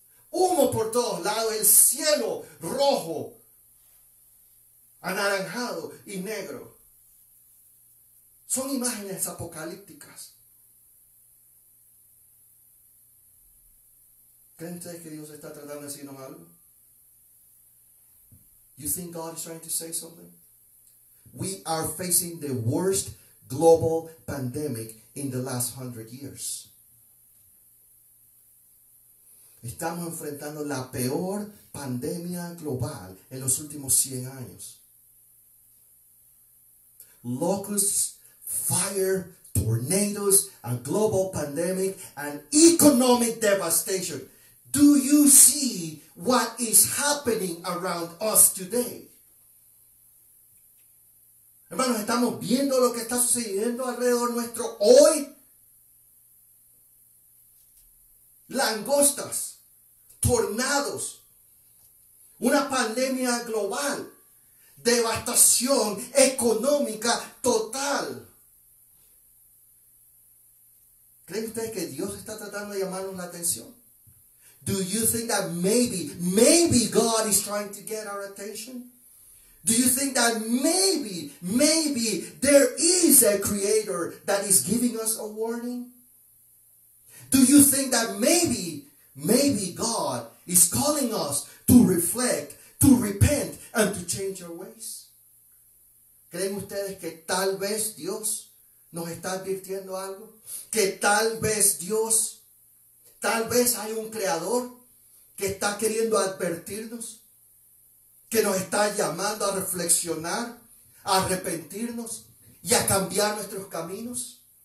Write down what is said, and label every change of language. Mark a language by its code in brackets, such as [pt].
[es] Humo por todos lados. El cielo rojo, anaranjado y negro. Son imágenes apocalípticas. ¿Creen ustedes que Dios está tratando de decirnos algo? [en] You think God is trying to say something? We are facing the worst global pandemic in the last 100 years. [es] Estamos enfrentando la peor pandemia global en los últimos 100 años. [en] Locusts, fire, tornadoes, a global pandemic, and economic devastation. Do you see what is happening around us today? [es] Hermanos, ¿estamos viendo lo que está sucediendo alrededor nuestro hoy? Langostas, tornados, una pandemia global. Devastación económica total. ¿Creen ustedes que Dios está tratando de llamarnos la atención? [en] Do you think that maybe God is trying to get our attention? Do you think that maybe there is a creator that is giving us a warning? Do you think that maybe God is calling us to reflect, to repent, and to change our ways? [es] ¿Creen ustedes que tal vez Dios nos está advirtiendo algo? ¿Que tal vez Dios, tal vez hay un creador que está queriendo advertirnos? ¿Que nos está llamando a reflexionar, a arrepentirnos y a cambiar nuestros caminos?